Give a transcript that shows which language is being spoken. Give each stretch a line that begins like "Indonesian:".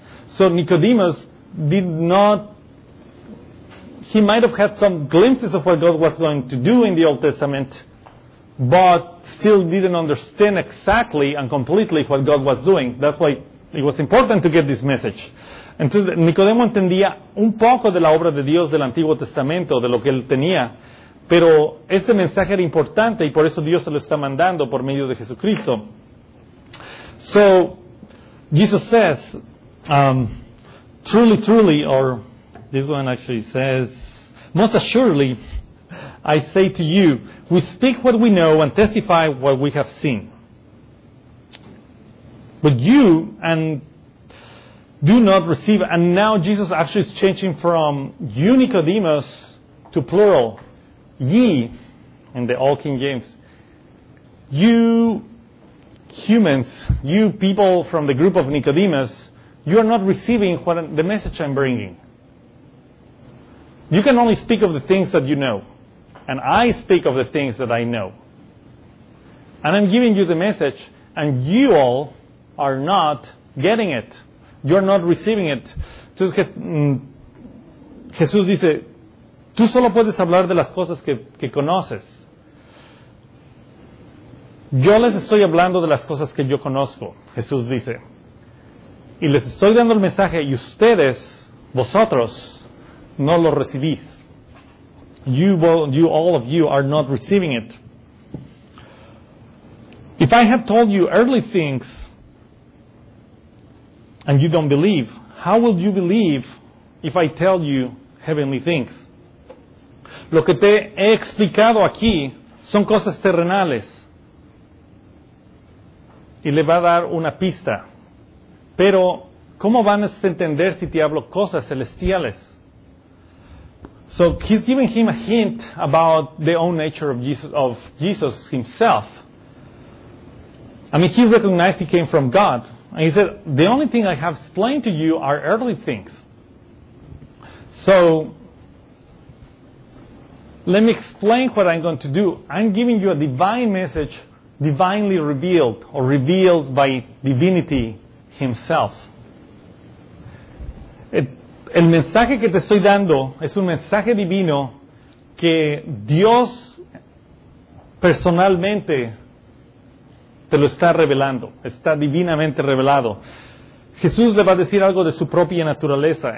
English: So Nicodemus did not, he might have had some glimpses of what God was going to do in the Old Testament, but still didn't understand exactly and completely what God was doing. That's why it was important to get this message.
Spanish: Entonces, Nicodemo entendía un poco de la obra de Dios del Antiguo Testamento, de lo que él tenía, pero este mensaje era importante y por eso Dios se lo está mandando por medio de Jesucristo.
English: So, Jesus says, truly, truly, or this one actually says, most assuredly, I say to you, we speak what we know and testify what we have seen. But you and do not receive. And now Jesus actually is changing from you, Nicodemus, to plural. Ye, in the All King James. You humans, you people from the group of Nicodemus, you are not receiving what the message I'm bringing. You can only speak of the things that you know. And I speak of the things that I know. And I'm giving you the message, and you all are not getting it. You're not receiving it.
Spanish: Entonces, Jesús dice, tú solo puedes hablar de las cosas que conoces. Yo les estoy hablando de las cosas que yo conozco, Jesús dice. Y les estoy dando el mensaje, y ustedes, vosotros, no lo recibís.
English: You all of you are not receiving it. If I had told you earthly things and you don't believe, how will you believe if I tell you heavenly things?
Spanish: Lo que te he explicado aquí son cosas terrenales. Y le va a dar una pista. Pero, ¿cómo van a entender si te hablo cosas celestiales?
English: So he's giving him a hint about the own nature of Jesus himself. I mean, he recognized he came from God. And he said, the only thing I have explained to you are earthly things. So, let me explain what I'm going to do. I'm giving you a divine message, divinely revealed, or revealed by divinity himself.
Spanish: El mensaje que te estoy dando es un mensaje divino que Dios personalmente te lo está revelando. Está divinamente revelado. Jesús le va a decir algo de su propia naturaleza.